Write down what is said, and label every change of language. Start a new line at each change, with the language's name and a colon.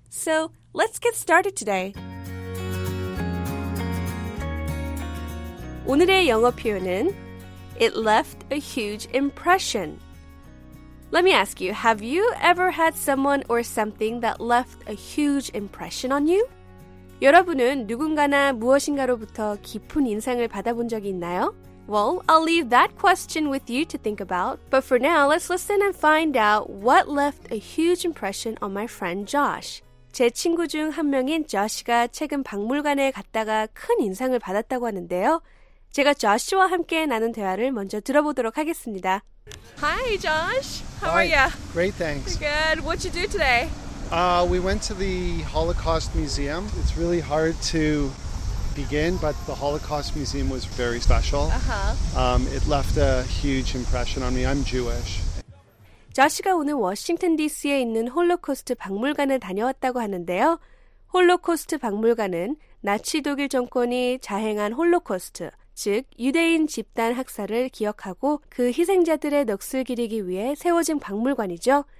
English: So let's get started today.
Korean: 오늘의 영어 표현은
English: It left a huge impression. Let me ask you, have you ever had someone or something that left a huge impression on you?
Korean: 여러분은 누군가나 무엇인가로부터 깊은 인상을 받아본 적이 있나요?
English: Well, I'll leave that question with you to think about. But for now, let's listen and find out what left a huge impression on my friend Josh.
Korean: 제 친구 중 한 명인 Josh가 최근 박물관에 갔다가 큰 인상을 받았다고 하는데요. 제가 조시와 함께 나눈 대화를 먼저 들어보도록 하겠습니다.
English: Hi, Josh. How are you? Great, thanks. Good. What'd you do today? We went to the Holocaust Museum. It's really hard to begin, but the Holocaust Museum was very special. It left a huge impression on me. I'm Jewish.
Korean: 조시가 오늘 워싱턴 DC에 있는 홀로코스트 박물관을 다녀왔다고 하는데요. 홀로코스트 박물관은 나치 독일 정권이 자행한 홀로코스트, 즉 유대인 집단 학살을 기억하고 그 희생자들의 넋을 기리기 위해 세워진 박물관이죠.